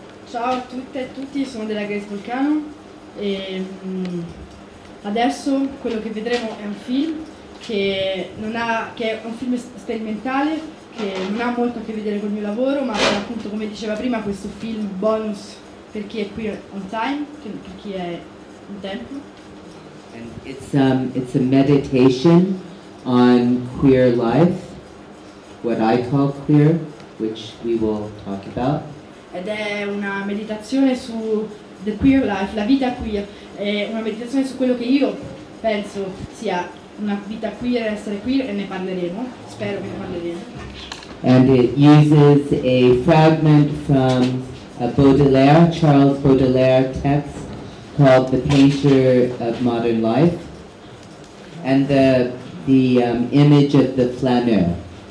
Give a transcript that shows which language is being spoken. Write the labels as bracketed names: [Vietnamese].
[Italian] Ciao a tutte e tutti, sono Della Grace Volcano e adesso quello che vedremo è un film che è un film sperimentale che non ha molto a che vedere col mio lavoro, ma è appunto, come diceva prima, questo film bonus per chi è qui [English] on time, [Italian] per chi è in tempo. [English] And it's a meditation on queer life, what I call queer, which we will talk about. [Italian] Ed è una meditazione su [English] the queer life, [Italian] la vita queer. È una meditazione su quello che io penso sia una vita queer, essere queer, e ne parleremo. Spero che ne parleremo. [English] And it uses a fragment from a Baudelaire, Charles Baudelaire text, called The Painter of Modern Life, and the image of the flaneur.